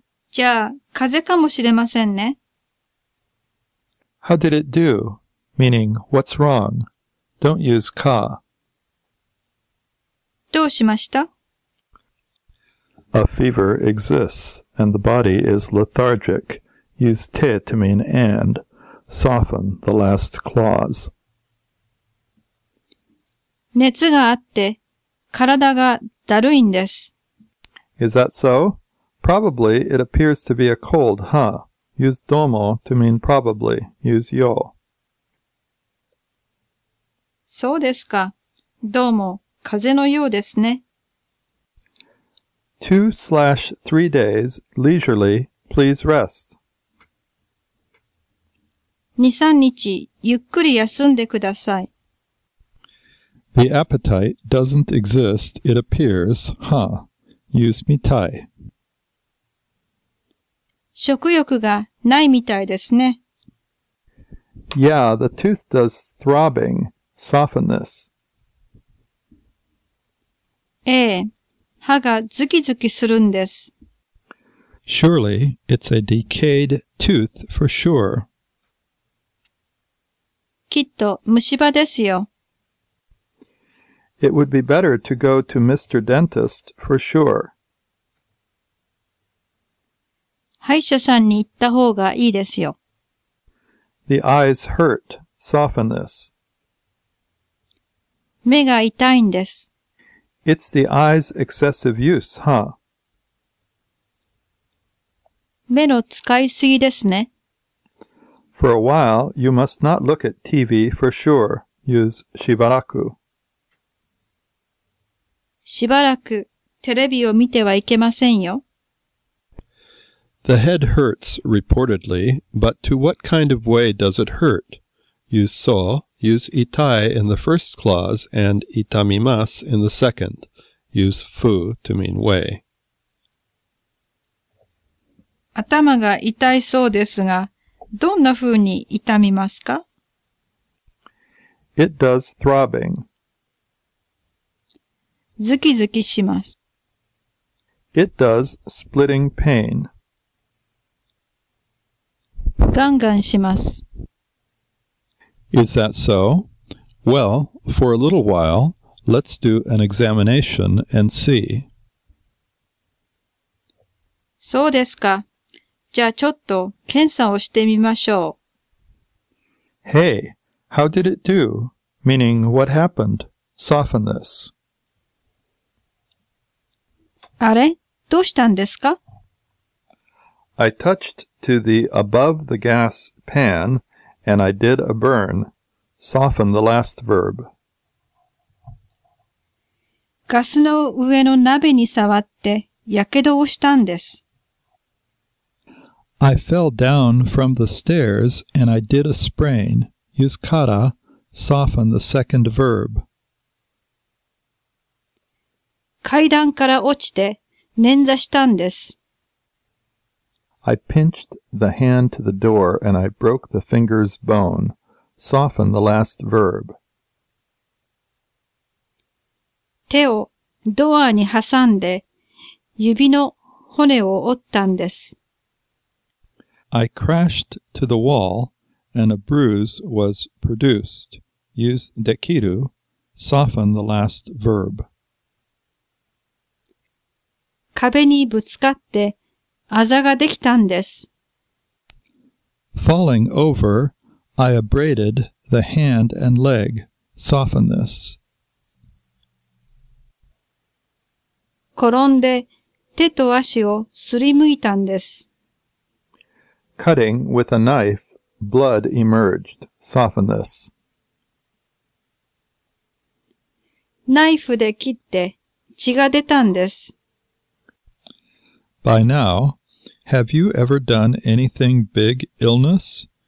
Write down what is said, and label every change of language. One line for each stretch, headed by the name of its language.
Japanese: じゃあ、風邪かもしれませんね。
English: How did it do? Meaning, what's wrong? Don't use か。
Japanese: どうしました?
English: A fever exists, and the body is lethargic. Use te to mean and. Soften the last clause.
Japanese: 熱があって、体がだるいんです。
English: Is that so? Probably it appears to be a cold, huh? Use どうも to mean probably. Use よ。
Japanese: そうですか。どうも、風邪のようですね。
English: 2/3 days, leisurely, please rest.
Japanese: 2-3 日、ゆっくり休んでください。
English: The appetite doesn't exist, it appears, huh? Use みたい。
Japanese: 食欲がないみたいですね。
English: Yeah, the tooth does throbbing. Soften this.
Japanese: ええ、歯がズキズキするんです。
English: Surely, it's a decayed tooth for sure.
Japanese: きっと虫歯ですよ。
English: It would be better to go to Mr. Dentist for sure.
Japanese: 歯医者さんに行った方がいいですよ。
English: The eyes hurt. Soften this.
Japanese: 目が痛いんです。
English: It's the eye's excessive use, huh?
Japanese: 目の使いすぎですね。
English: For a while, you must not look at TV for sure. Use shibaraku.
Japanese: しばらくテレビを見てはいけませんよ。
English: The head hurts, reportedly, but to what kind of way does it hurt? Use saw, use itai in the first clause and itamimasu in the second. Use fu to mean way.
Japanese: 頭が痛いそうですが、どんな風に痛みますか?
English: It does throbbing.
Japanese: ズキズキします。
English: It does splitting pain.
Japanese: ガンガンします。
English: Is that so? Well, for a little while, let's do an examination and see.
Japanese: そうですか。じゃあちょっと検査をしてみましょう。
English: Hey, how did it do? Meaning, what happened? Soften this.
Japanese: あれ?どうしたんですか?
English: I touched to the above the gas pan and I did a burn. Soften the last verb.
Japanese: ガスの上の鍋に触って火傷をしたんです。
English: I fell down from the stairs and I did a sprain. Use kara, soften the second verb.
Japanese: 階段から落ちて捻挫したんです。
English: I pinched the hand to the door and I broke the finger's bone. Soften the last verb.
Japanese: 手をドアに挟んで指の骨を折ったんです。
English: I crashed to the wall and a bruise was produced. Use dekiru, soften the last verb.
Japanese: 壁にぶつかってあざができたんです。
English: Falling over, I abraded the hand and leg. Soften this.
Japanese: 転んで手と足をすりむいたんです。
English: Cutting with a knife, blood emerged. Soften this.
Japanese: ナイフで切って血が出たんです。
English: By now, have you ever done anything big illness?